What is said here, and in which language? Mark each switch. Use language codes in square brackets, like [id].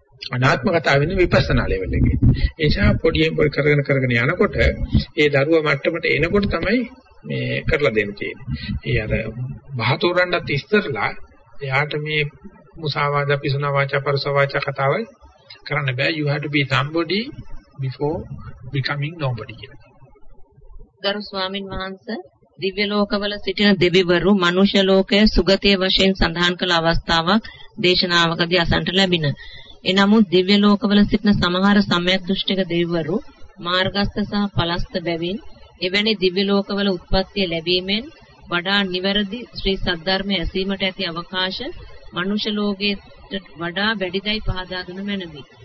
[si] අනාත්ම කතාව වෙන විපස්සනා ලෙවල් එකේ. ඒ නිසා පොඩියෙන් පොඩි කරගෙන කරගෙන යනකොට ඒ දරුව මට්ටමට එනකොට තමයි මේ කරලා දෙන්න තියෙන්නේ. ඒ අර බහතෝරන්නත් ඉස්තරලා එයාට මේ මුසාවාද පිසුනා වාචා පරසවාචා කතාවයි කරන්න බෑ. [en] You have to be somebody before becoming nobody කියලා. [si] ගරු ස්වාමින් වහන්සේ දිව්‍ය ලෝකවල සිටින දෙවිවරු මනුෂ්‍ය ලෝකයේ සුගතිය වශයෙන් සඳහන් කළ අවස්ථාවක් දේශනාවකදී අසන්නට ලැබින. එනමුත් දිව්‍ය ලෝකවල සිටින සමහර සම්‍යක් දෘෂ්ටික දෙවිවරු මාර්ගස්ත සහ පලස්ත බැවින් එවැනි දිව්‍ය ලෝකවල උත්පත්ති ලැබීමෙන් වඩා නිවැරදි ශ්‍රී සද්ධර්මයේ ඇසීමට ඇති අවකාශ මනුෂ්‍ය ලෝකයට වඩා වැඩිදයි පහදා දුන මැනවි.